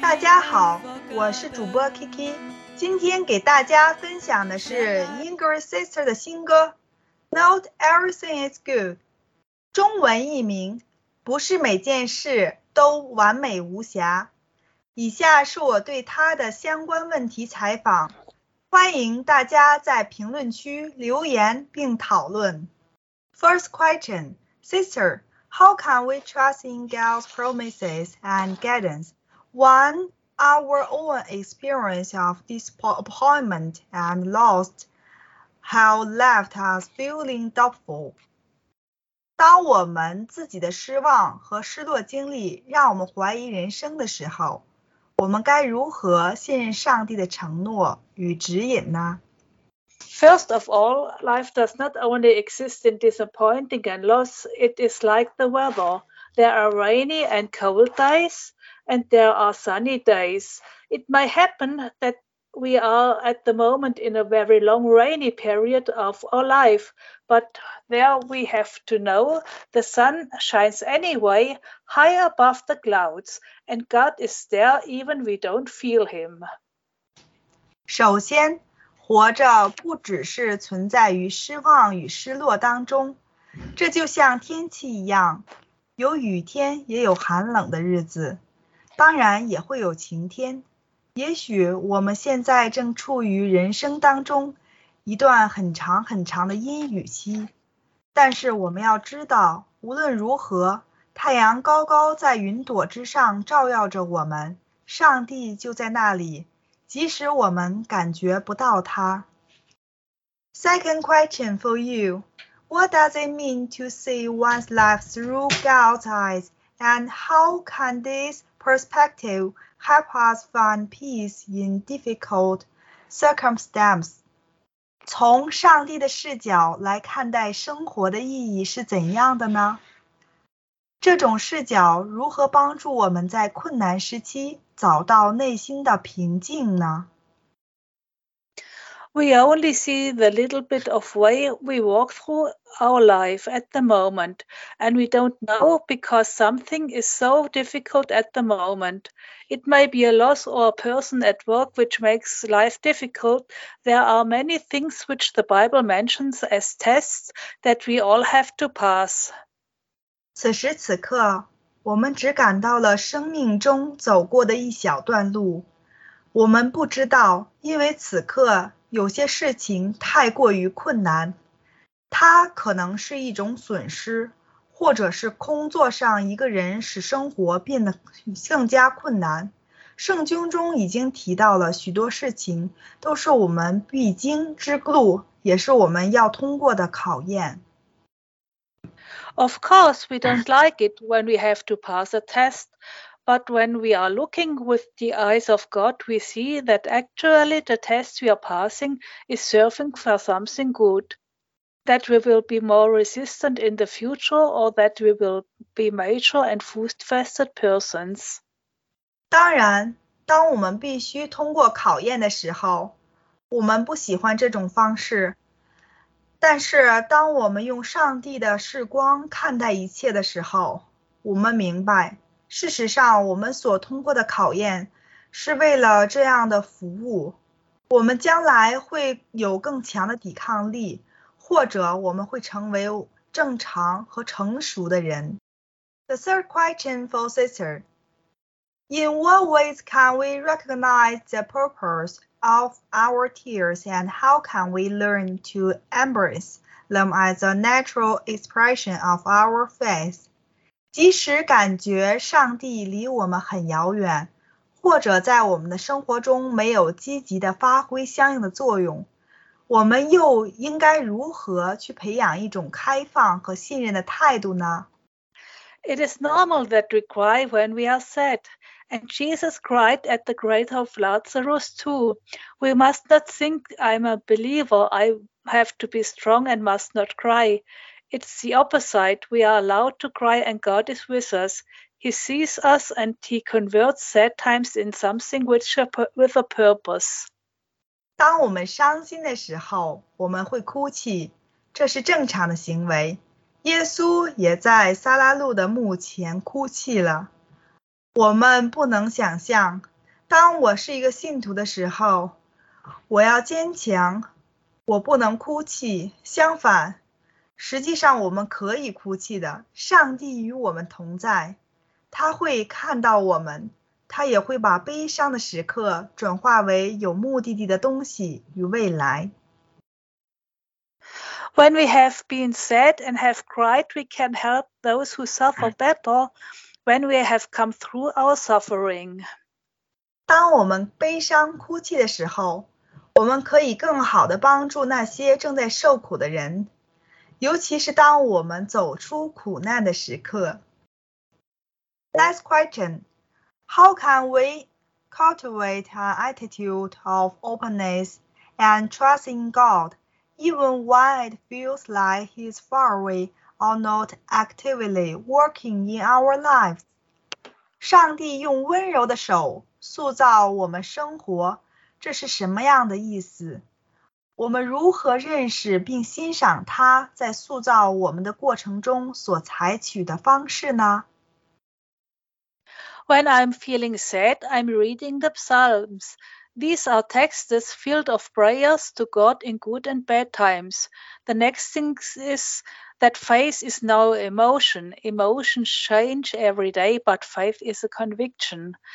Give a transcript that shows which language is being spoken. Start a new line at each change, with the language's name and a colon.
Chinese: 大家好，我是主播Kiki。今天给大家分享的是Ingrid Sister的新歌 Not Everything Is Good， 中文译名不是每件事都完美无瑕。以下是我对她的相关问题采访，欢迎大家在评论区留言并讨论。
English: First question, Sister, how can we trust in God's promises and guidance? One, our own experience of disappointment and loss have left us feeling doubtful.
Chinese: 当我们自己的失望和失落经历让我们怀疑人生的时候，我们该如何信任上帝的承诺与指引呢？
English: First of all, life does not only exist in disappointing and loss. It is like the weather. There are rainy and cold days, and there are sunny days. It may happen that we are at the moment in a very long rainy period of our life, but there we have to know the sun shines anyway, high above the clouds, and God is there even we don't feel him.
Chinese: 首先，活着不只是存在于失望与失落当中，这就像天气一样，有雨天也有寒冷的日子。当然也会有晴天，也许我们现在正处于人生当中一段很长很长的阴雨期，但是我们要知道，无论如何，太阳高高在云朵之上照耀着我们，上帝就在那里，即使我们感觉不到他。
English: Second question for you, what does it mean to see one's life through God's eyes, and how can this perspective help us find peace in difficult circumstances.
Chinese: 从上帝的视角来看待生活的意义是怎样的呢？这种视角如何帮助我们在困难时期找到内心的平静呢？
English: We only see the little bit of way we walk through our life at the moment, and we don't know because something is so difficult at the moment. It may be a loss or a person at work which makes life difficult. There are many things which the Bible mentions as tests that we all have to pass.
Chinese: 此时此刻，我们只感到了生命中走过的一小段路。我们不知道，因为此刻有些事情太过于困难。它可能是一种损失，或者是工作上一个人使生活变得更加困难。圣经中已经提到了许多事情，都是我们必经之路，也是我们要通过的考验。
English: Of course, we don't like it when we have to pass a test, but when we are looking with the eyes of God, we see that actually the test we are passing is serving for something good. That we will be more resistant in the future, or that we will be mature and food-fasted persons.
Chinese: 当然，当我们必须通过考验的时候，我们不喜欢这种方式。但是，当我们用上帝的视光看待一切的时候，我们明白，事实上，我们所通过的考验是为了这样的服务。我们将来会有更强的抵抗力。或者我们会成为正常和成熟的人。
English: The third question for sister. In what ways can we recognize the purpose of our tears and how can we learn to embrace them as a natural expression of our faith.
Chinese: 即使感觉上帝离我们很遥远，或者在我们的生活中没有积极地发挥相应的作用，我们又应该如何去培养一种开放和信任的态度呢？
English: It is normal that we cry when we are sad, and Jesus cried at the grave of Lazarus too. We must not think I'm a believer, I have to be strong and must not cry. It's the opposite, we are allowed to cry and God is with us. He sees us and he converts sad times in something with a purpose.
Chinese: 当我们伤心的时候，我们会哭泣，这是正常的行为。耶稣也在撒拉路的墓前哭泣了。我们不能想象，当我是一个信徒的时候，我要坚强，我不能哭泣。相反，实际上我们可以哭泣的。上帝与我们同在，他会看到我们，他也会把悲伤的时刻转化为有目的地的东西与未来。
English: When we have been sad and have cried, we can help those who suffer better when we have come through our suffering.
Chinese: 当我们悲伤哭泣的时候，我们可以更好地帮助那些正在受苦的人，尤其是当我们走出苦难的时刻。
English: Last question. How can we cultivate an attitude of openness and trust in God? Even when it feels like he is far away or not actively working in our lives.
Chinese: 上帝用温柔的手塑造我们生活，这是什么样的意思？我们如何认识并欣赏他在塑造我们的过程中所采取的方式呢？
English: When I'm feeling sad, I'm reading the Psalms. These are texts filled of prayers to God in good and bad times. The next thing is that faith is no emotion. Emotions change every day, but faith is a conviction.